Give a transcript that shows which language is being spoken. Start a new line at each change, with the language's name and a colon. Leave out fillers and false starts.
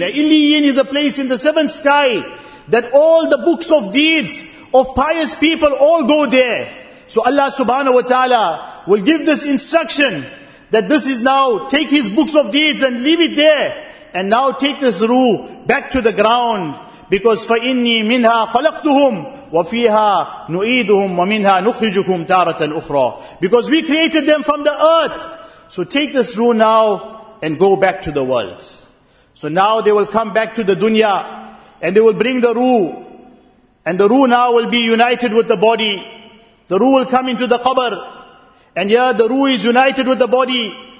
English: The Illiyin is a place in the seventh sky that all the books of deeds of pious people all go there. So Allah subhanahu wa ta'ala will give this instruction that this is now, take his books of deeds and leave it there. And now take this ruh back to the ground.
Arabic: Because فَإِنِّي مِنْهَا خَلَقْتُهُمْ وَفِيهَا نُعِيدُهُمْ وَمِنْهَا نُخْرِجُكُمْ تَارَةً أُخْرَى.
English: Because we created them from the earth. So take this ruh now and go back to the world. So now they will come back to the dunya, and they will bring the ruh, and the ruh now will be united with the body. The ruh will come into the qabr, and yeah, the ruh is united with the body.